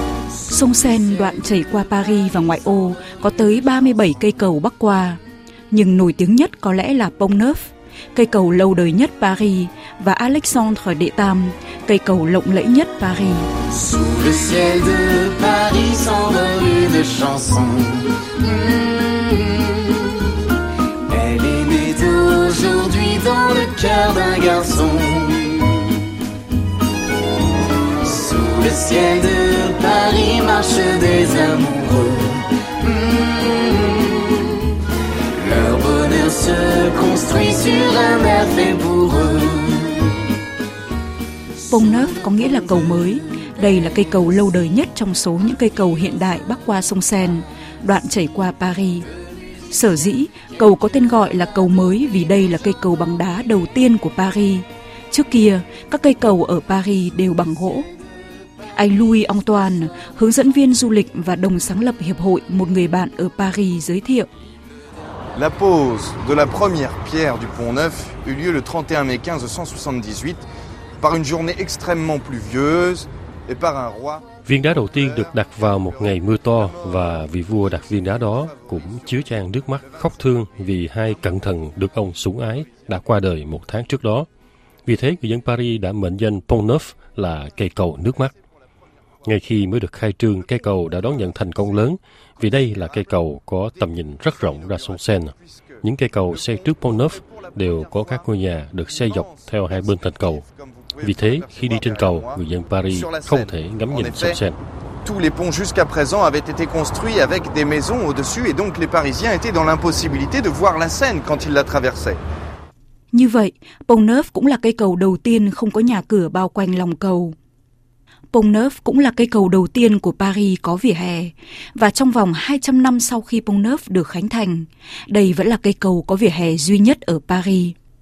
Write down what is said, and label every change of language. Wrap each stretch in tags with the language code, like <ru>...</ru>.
<vi>Sông Seine đoạn chảy qua Paris và ngoại ô có tới 37 cây cầu bắc qua. Nhưng nổi tiếng nhất có lẽ là Pont Neuf, cây cầu lâu đời nhất Paris, và Alexandre Đệ Tam, cây cầu lộng lẫy nhất Paris.</vi> <fr>Sous le ciel de Paris s'envole une chanson. Elle est née aujourd'hui dans le cœur d'un garçon. Sous le ciel de Paris marchent des amoureux. Leur bonheur se construit sur un air fait pour eux.</fr> <vi>Pont Neuf có nghĩa là cầu mới. Đây là cây cầu lâu đời nhất trong số những cây cầu hiện đại bắc qua sông Seine, đoạn chảy qua Paris. Sở dĩ cầu có tên gọi là cầu mới vì đây là cây cầu bằng đá đầu tiên của Paris. Trước kia, các cây cầu ở Paris đều bằng gỗ. Anh Louis Antoine, hướng dẫn viên du lịch và đồng sáng lập hiệp hội Một người bạn ở Paris, giới thiệu.</vi> <fr>La pose de la première pierre du Pont Neuf eut lieu le 31 mai 1578 par une journée extrêmement pluvieuse.</fr> <vi>Viên đá đầu tiên được đặt vào một ngày mưa to, và vị vua đặt viên đá đó cũng chứa chan nước mắt khóc thương vì hai cận thần được ông sủng ái đã qua đời một tháng trước đó. Vì thế người dân Paris đã mệnh danh Pont Neuf là cây cầu nước mắt. Ngay khi mới được khai trương, cây cầu đã đón nhận thành công lớn vì đây là cây cầu có tầm nhìn rất rộng ra sông Seine. Những cây cầu xây trước Pont Neuf đều có các ngôi nhà được xây dọc theo hai bên thành cầu. Vì thế, khi đi trên cầu, người dân Paris không thể ngắm nhìn sông Seine.</vi> <fr>Tous les ponts jusqu'à présent avaient été construits avec des maisons au-dessus, et donc les Parisiens étaient dans l'impossibilité de voir la Seine quand ils la traversaient.</fr> <vi>Như vậy, Pont Neuf cũng là cây cầu đầu tiên không có nhà cửa bao quanh lòng cầu. Pont Neuf cũng là cây cầu đầu tiên của Paris có vỉa hè, và trong vòng 200 năm sau khi Pont Neuf được khánh thành, đây vẫn là cây cầu có vỉa hè duy nhất ở Paris.</vi>